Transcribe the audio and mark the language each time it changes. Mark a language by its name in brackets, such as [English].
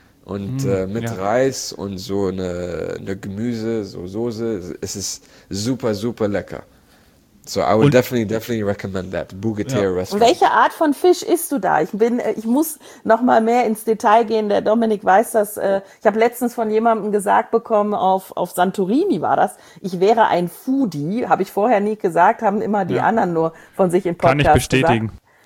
[German] Und mit ja, Reis und so eine Gemüse, so Soße. Es ist super, super lecker. [English] So, I would definitely recommend that Bugetier ja, Restaurant. [German] Welche Art von Fisch isst du da? Ich muss noch mal mehr ins Detail gehen. Der Dominik weiß das. Ich habe letztens von jemandem gesagt bekommen, auf Santorini war das, ich wäre ein Foodie. Habe ich vorher nie gesagt, haben immer die ja, anderen nur von sich im Podcast gesagt. Kann ich bestätigen. Gesagt.